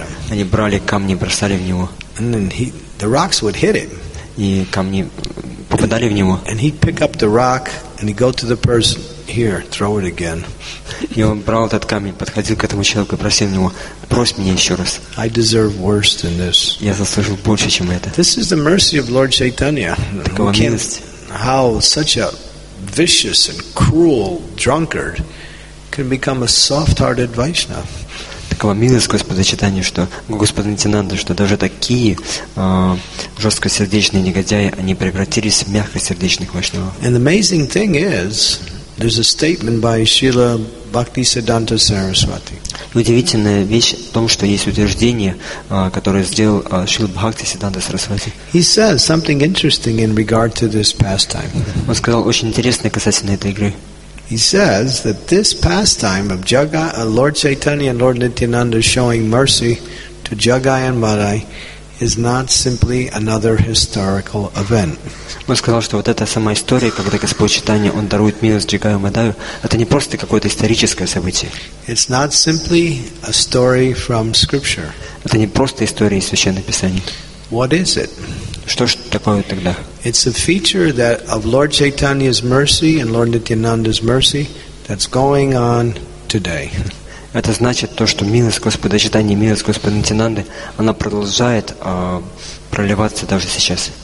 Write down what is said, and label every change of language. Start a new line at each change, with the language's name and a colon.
Russian: Они брали камни, бросали в него.
English: And then the rocks would hit him.
Russian: И камни попадали в него.
English: And he'd pick up the rock and he'd go to the person here, throw it again.
Russian: И он брал этот камень, подходил к этому человеку и просил него, брось меня еще раз.
English: I deserve worse than this.
Russian: Я заслужил больше, чем это.
English: This is the mercy of Lord Chaitanya.
Russian: Такова милость.
English: How such a vicious and cruel drunkard can become a soft-hearted Vaishnav.
Russian: Такова милость Господа Читания, что Господа Нитянанды, что даже такие жесткосердечные негодяи, они превратились в мягкосердечных Вайшнавов.
English: And the amazing thing is, there's a statement by Srila Bhaktisiddhanta Saraswati.
Russian: Удивительная вещь в том, что есть утверждение, которое сделал Шрила Бхактисиддханта Сарасвати.
English: He says something interesting in regard to this pastime.
Russian: Он сказал очень интересное касательно этой игры.
English: He says that this pastime of Lord Chaitanya and Lord Nityananda showing mercy to Jagaya and Madai is not simply another historical event.
Russian: Он сказал, что вот эта сама история, когда Господь Читания, он дарует милость Джигаю Мадаю, это не просто какое-то историческое событие.
English: It's not simply a story from scripture.
Russian: Это не просто история из Священного Писания.
English: What is it?
Russian: Что ж такое тогда?
English: It's a feature that of Lord Chaitanya's mercy and Lord Nityananda's mercy that's going on today.
Russian: Это значит то, что милость Господа Читания, милость Господа Нитянанды, она продолжает проливаться даже сейчас.